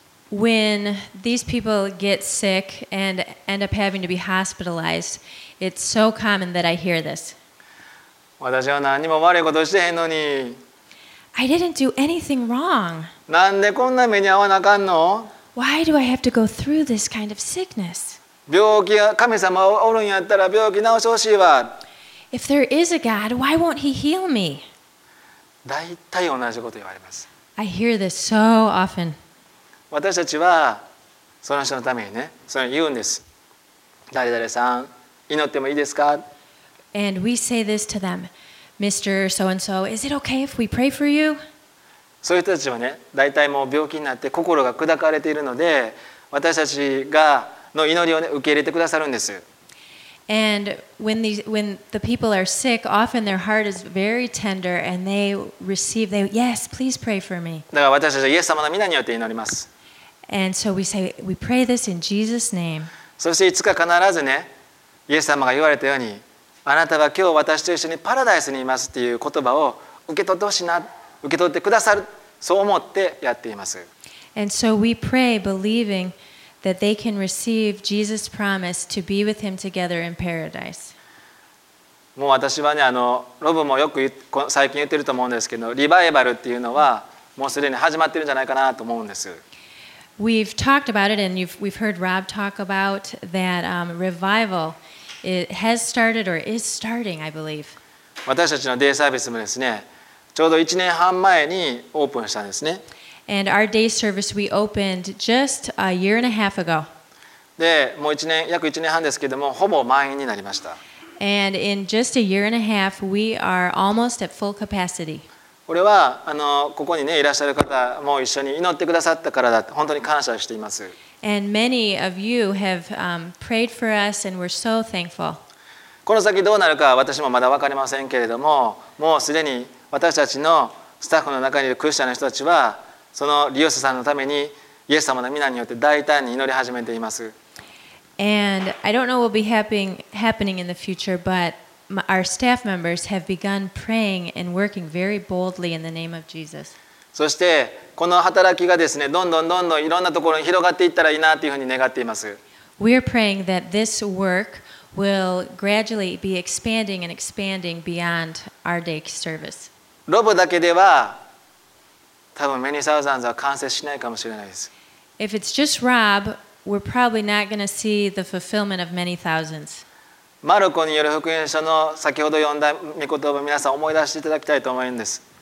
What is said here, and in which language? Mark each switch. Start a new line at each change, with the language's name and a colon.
English: When these people get sick and end up having to be hospitalized, it's so common that I hear this.
Japanese: 私は何も悪いことしてへんのに。
English: I didn't do anything wrong.
Japanese: なんでこんな目に遭わなあかんの?
English: Why do I have to go through this kind of sickness?
Japanese: 病気が神様おるんやったら病気治してほしいわ。
English: If there is a God, why won't he heal me?
Japanese: だいたい同じこと言われます。
English: I hear this so often.
Japanese: 私たちはその人のためにね、それを言うんです。誰々さん、祈ってもいいですか?
English: And we say this to them. Mr. So-and-so, is it okay if we pray for you?
Japanese: そういう人たちはね、大体もう病気になって心が砕かれているので、私たちがの祈りを、ね、受け入れてくださるんです。
English: And when the people are sick, often their heart is very tender and they receive, they, yes, please pray for me.
Japanese: だから私たちはイエス様の皆によって祈ります。
English: And so we say, we pray this in Jesus' name.
Japanese: そしていつか必ずね、イエス様が言われたように、あなたは今日私と一緒にパラダイスにいますっていう言葉を受け取ってほしいな、受け取ってくださる、そう思ってやっています。
English: And so we pray believing that they can receive Jesus' promise to be with him together in paradise.
Japanese: もう私はね、ロブもよく最近言ってると思うんですけど、リバイバルっていうのはもうすでに始まってるんじゃないかなと思うんです。
English: We've talked about it and we've heard Rob talk about that revival. It has started or is starting, I believe.
Japanese: 私たちのデイサービスもですね、ちょうど1年半前にオープンしたんですね。
English: And our day service we opened just a year and a half ago.
Japanese: で、もう1年、約1年半ですけども、ほぼ満員になりました。
English: And in just a year and a half, we are almost at full capacity.
Japanese: これはここにね、いらっしゃる方も一緒に祈ってくださったからだ、本当に感謝しています。
English: And many of you have prayed for us, and we're so thankful.
Japanese: この先どうなるか私もまだ分かりませんけれども、もうすでに私たちのスタッフの中にいるクリスチャンの人たちは、その利用者さんのためにイエス様の皆によって大胆に祈り始めています。
English: And I don't know what will be happening in the future, but our staff members have begun praying and working very boldly in the name of Jesus.
Japanese: そしてこの働きがですね、どんどんどんどんいろんなところに広がっていったらいいなというふうに願っています。
English: We're praying that this work will gradually be expanding and expanding beyond our day service.
Japanese: ロブだけでは多分メニーサウザンズは完成しないかもしれないです。
English: If it's just Rob, we're probably not going to see the fulfillment of many thousands.
Japanese: マルコによる福音書の先ほど読んだ御言葉を皆さん思い出していただきたいと思うんです。